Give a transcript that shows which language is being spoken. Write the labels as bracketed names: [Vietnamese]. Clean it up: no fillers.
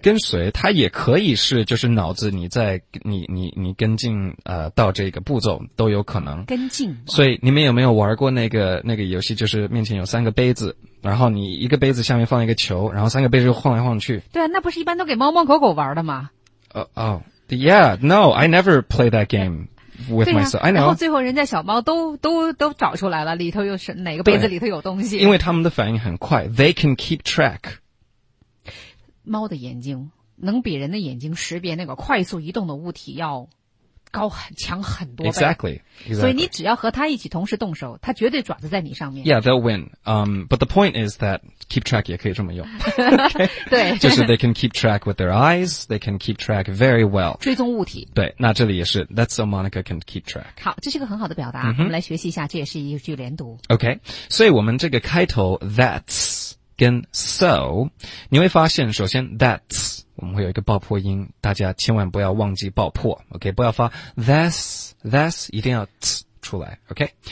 [Chinese] 跟随它也可以是就是脑子你在你跟进到这个步骤都有可能跟进所以你们有没有玩过那个游戏就是面前有三个杯子然后你一个杯子下面放一个球然后三个杯子又晃来晃去对啊那不是一般都给猫猫狗狗玩的吗 [English] Yeah, no, I never play that game with myself. I know. [Chinese] 然后最后人家小猫都找出来了，里头又是哪个杯子里头有东西。因为他们的反应很快 ， [English] they can keep track. [Chinese] 猫的眼睛能比人的眼睛识别那个快速移动的物体要高很强很多倍。 [English] Exactly, exactly. [Chinese] 所以你只要和它一起同时动手，它绝对爪子在你上面。 [English] Yeah, they'll win. But the point is that keep track [Chinese] 也可以这么用。对，就是 [English] they can keep track with their eyes, they can keep track very well. [Chinese] 追踪物体。对，那这里也是 [English] that's so Monica can keep track. [Chinese] 好，这是一个很好的表达，我们来学习一下，这也是一句连读。 Okay, 所以我们这个开头 that's 跟 so， 你会发现，首先 that's。我们会有一个爆破音，大家千万不要忘记爆破 ，OK？不要发 that's， 一定要 t 出来 ，OK？